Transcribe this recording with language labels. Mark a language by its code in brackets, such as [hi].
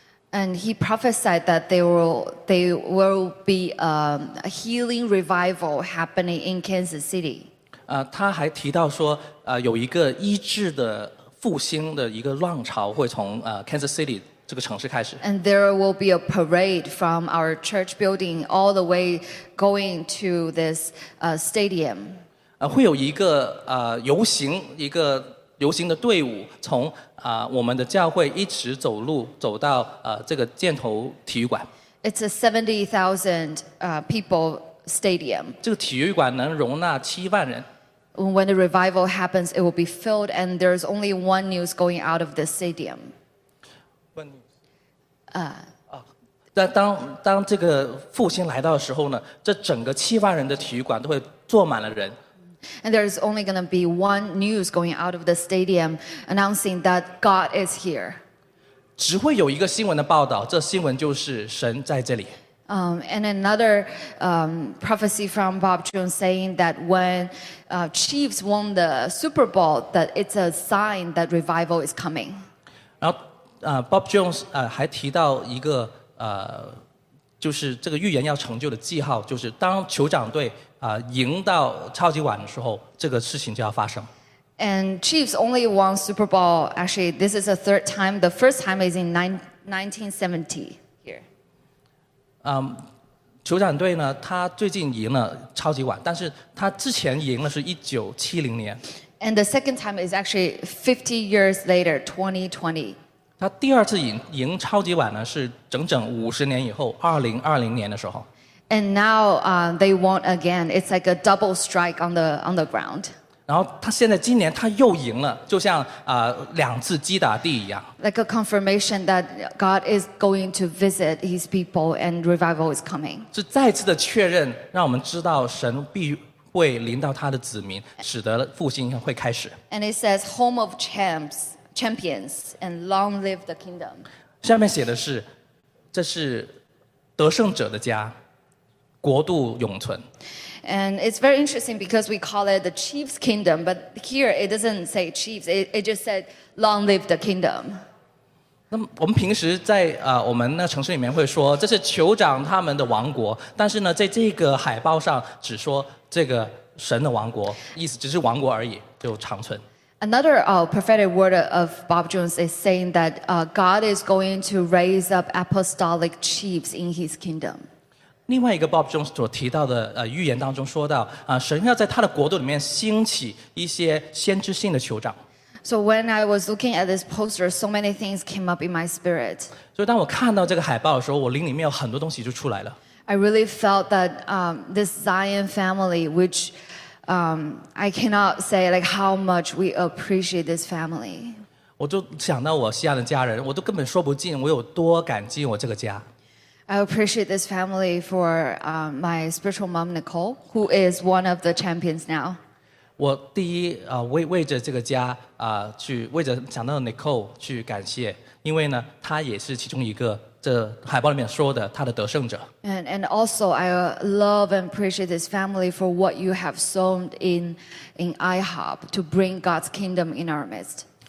[en] And he prophesied that there will be a healing revival happening in Kansas City. [zh] 他还提到说，有一个医治的复兴的一个浪潮会从Kansas City 这个城市开始。 [en] And there will be a parade from our church building all the way going to this stadium. [zh] 会有一个游行，一个游行的队伍从。我们的教会一直走路走到这个箭头体育馆。 [en] It's a 70,000 people stadium. [zh] 这个体育馆能容纳70,000人。 [en] When the revival happens, it will be filled, and there's only one news going out of this stadium. One news. [zh] 当这个复兴来到的时候呢，这整个七万人的体育馆都会坐满了人。 [en] And there is only going to be one news going out of the stadium announcing that God is here. [zh] 只会有一个新闻的报道，这新闻就是神在这里。 [en] And another prophecy from Bob Jones saying that when Chiefs won the Super Bowl, that it's a sign that revival is coming. [zh] 然后Bob Jones 还提到一个就是这个预言要成就的记号，就是当酋长队赢到超级碗的时候，这个事情就要发生。 [en] And Chiefs only won Super Bowl. Actually, this is the third time. The first time is in 1970 here. [zh] 酋长队呢，他最近赢了超级碗，但是他之前赢了是1970年。 [en] And the second time is actually 50 years later, 2020. [zh] 他第二次赢超级碗呢，是整整50年以后，2020年的时候。 [en] And now they won't again. It's like a double strike on the ground. [zh] 然后他现在今年他又赢了，就像两次击打地一样。 [en] Like a confirmation that God is going to visit His people and revival is coming. [zh] 是再次的确认，让我们知道神必会临到他的子民，使得复兴会开始。 [en] And it says, "Home of champions, and long live the kingdom." [zh] 下面写的是，这是得胜者的家, 国度永存。 [en] And it's very interesting because we call it the chief's kingdom, but here it doesn't say chiefs, it just said long live the kingdom. [zh] 那我们平时在, 我们那城市里面会说, 这是酋长他们的王国, 但是呢, 在这个海报上只说这个神的王国, 意思只是王国而已, 就长存。 [en] Another prophetic word of Bob Jones is saying that God is going to raise up apostolic chiefs in his kingdom. [zh] 另外一个 Bob Jones 所提到的 预言当中说到 神要在他的国度里面兴起一些先知性的酋长。 [en] So when I was looking at this poster, so many things came up in my spirit. [zh] 所以当我看到这个海报的时候, 我灵里面有很多东西就出来了。 [en] I really felt that this Zion family, which I cannot say like how much we appreciate this family. [zh] 我就想到我西安的家人, 我都根本说不尽, 我有多感激我这个家。 [en] I appreciate this family for my spiritual mom Nicole, who is one of the champions now. [zh] 我第一为着这个家去为着想到Nicole去感谢, 因为呢，她也是其中一个这海报里面说的她的得胜者。 [en] And also, I love and appreciate this family for what you have sown in IHOP to bring God's kingdom in our midst.